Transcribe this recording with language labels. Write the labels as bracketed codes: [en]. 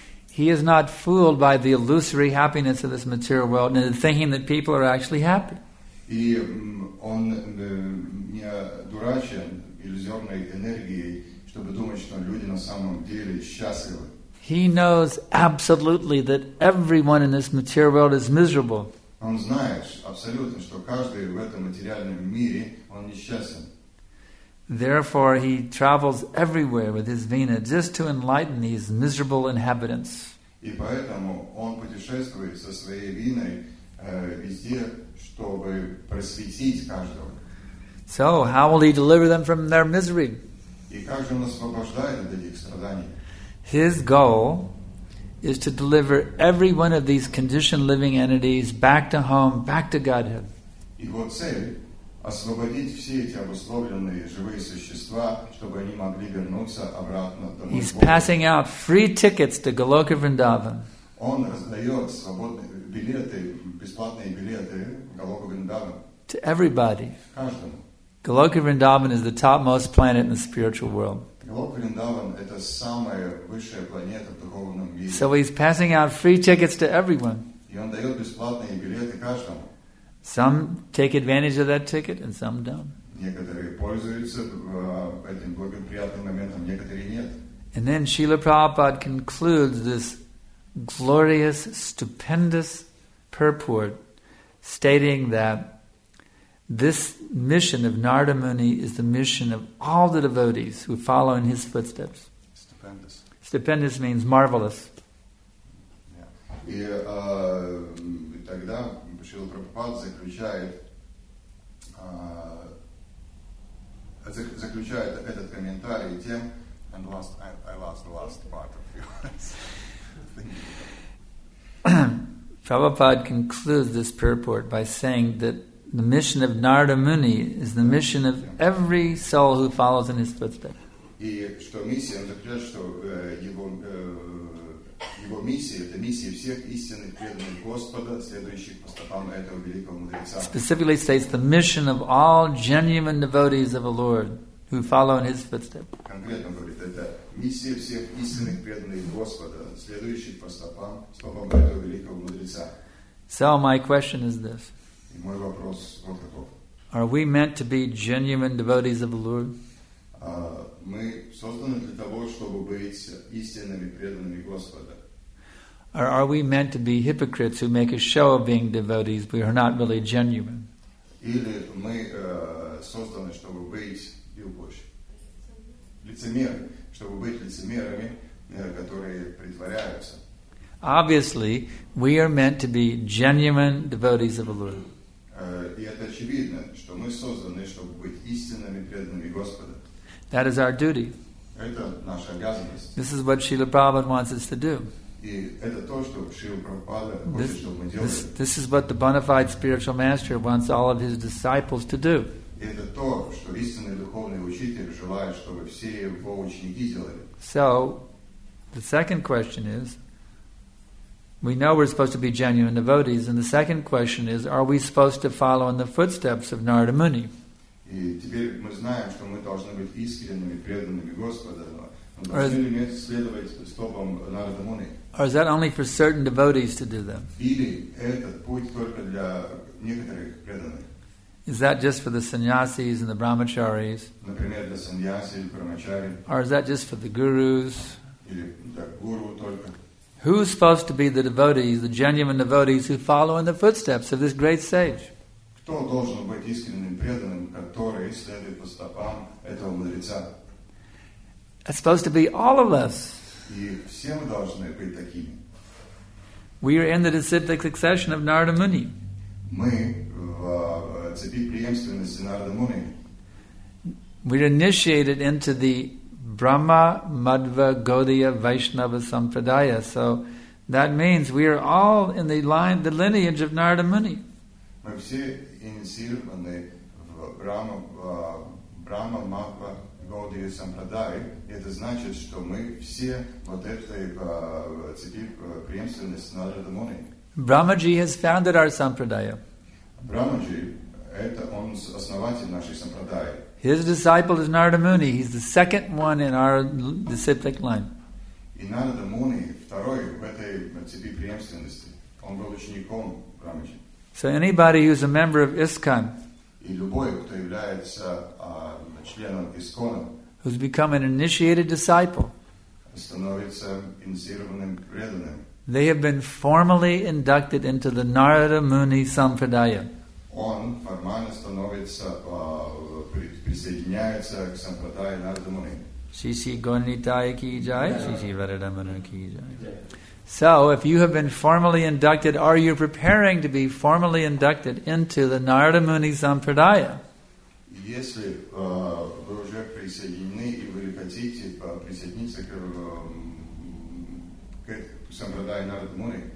[en] He is not fooled by the illusory happiness of this material world and thinking that people are actually happy. [ru] И он не дурачен иллюзорной энергией, чтобы думать, что люди на самом деле счастливы. [en] He knows absolutely that everyone in this material world is miserable. [ru] Он знает абсолютно, что каждый в этом материальном мире он несчастен. [en] Therefore, he travels everywhere with his vina just to enlighten these miserable inhabitants. [ru] И поэтому он путешествует со своей виной везде, чтобы просветить каждого. [en] So, how will he deliver them from their misery? [ru] И как же он освобождает от этих страданий? [en] His goal is to deliver every one of these conditioned living entities back to home, back to Godhead. [ru] Его цель освободить все эти обусловленные живые существа, чтобы они могли вернуться обратно домой. [en] He's passing out free tickets to Goloka Vrindavan. [ru] Он раздает свободные билеты, бесплатные билеты Goloka Vrindavan. [en] To everybody. [ru] Каждому. [en] Goloka Vrindavan is the topmost planet in the spiritual world. [ru] Goloka Vrindavan – это самая высшая планета в духовном мире. [en] So he's passing out free tickets to everyone. [ru] И он дает бесплатные билеты каждому. [en] Some take advantage of that ticket and some don't. And then Srila Prabhupada concludes this glorious, stupendous purport stating that this mission of Narada Muni is the mission of all the devotees who follow in his footsteps. Stupendous. Stupendous means marvelous. Yeah. [ru] Тогда Шрила Прабхупада заключает этот комментарий тем, [en] and last, I lost the last part of yours. Prabhupada concludes this purport by saying that the mission of Narada Muni is the mission of every soul who follows in his footsteps. [ru] И что миссия, он заключает, что его миссия, это миссия всех истинных преданных Господа, следующих по стопам этого великого мудреца. [en] Specifically states the mission of all genuine devotees of the Lord who follow in his footsteps. [ru] Конкретно говорит, это миссия всех истинных преданных Господа, следующих по стопам этого великого мудреца. [en] So my question is this. [ru] И мой вопрос вот таков. [en] Are we meant to be genuine devotees of the Lord? [ru] Мы созданы для того, чтобы быть истинными преданными Господа. [en] Or are we meant to be hypocrites who make a show of being devotees, but are not really genuine? [ru] Или мы созданы, чтобы быть любовь. лицемеры, чтобы быть лицемерами, которые притворяются. [en] Obviously, we are meant to be genuine devotees of the Lord. [ru] И это очевидно, что мы созданы, чтобы быть истинными преданными Господа. [en] That is our duty. [ru] Это наша обязанность. [en] This is what Srila Prabhupada wants us to do. [ru] И это то, что Шрила Прабхупада хочет, чтобы мы делали. [en] This is what the bona fide spiritual master wants all of his disciples to do. [ru] И это то, что истинный духовный учитель желает, чтобы все его ученики делали. [en] So, the second question is, we know we're supposed to be genuine devotees, and the second question is, are we supposed to follow in the footsteps of Narada Muni? [ru] И теперь мы знаем, что мы должны быть искренними, преданными Господа. Должны ли мы следовать стопам Нарада Муни? [en] Or is that only for certain devotees to do them? [ru] Или этот путь только для некоторых преданных? [en] Is that just for the sannyasis and the brahmacharis? [ru] Например, для sannyasi, brahmachari. [en] Or is that just for the gurus? [ru] Или для гуру только. [en] Who's supposed to be the devotees, the genuine devotees who follow in the footsteps of this great sage? [ru] Кто должен быть искренним преданным, который следует по стопам этого мудреца? [en] It's supposed to be all of us. [ru] И все мы должны быть такими. [en] We are in the disciplic succession of Narada Muni. [ru] Мы в цепи преемственности Нарада Муни. [en] We're initiated into the Brahma, Madhva, Gaudiya, Vaishnava, Sampradaya. So that means we are all in the line, the lineage of Narada Muni. [ru] Мы все инициированы в Брама, Брама, Мадва, Гаудия, Сампрадая. Это значит, что мы все вот этой цепи преемственности Нарада Муни. Брамаджи has founded our Sampradaya. Брамаджи, это он основатель нашей Сампрадаи. [en] His disciple is Narada Muni. He's the second one in our disciplic line. [ru] И Нарада Муни второй в этой цепи преемственности. Он был учеником Брамаджи. [en] So anybody who's a member of ISKCON, [ru] и любой, кто является членом ISKCON, [en] who's become an initiated disciple, [ru] становится инициированным преданным, [en] they have been formally inducted into the Narada Muni Sampradaya. [ru] Он формально становится присоединяется к Сампрадае Нарада Муни. [hi] Шиши Гонитай ки джай, Шиши Варадамана ки джай. [en] So, if you have been formally inducted, are you preparing to be formally inducted into the Narada Muni Sampradaya? [ru] Если вы уже присоединены и вы хотите присоединиться к Сампрадае Нарада Муни,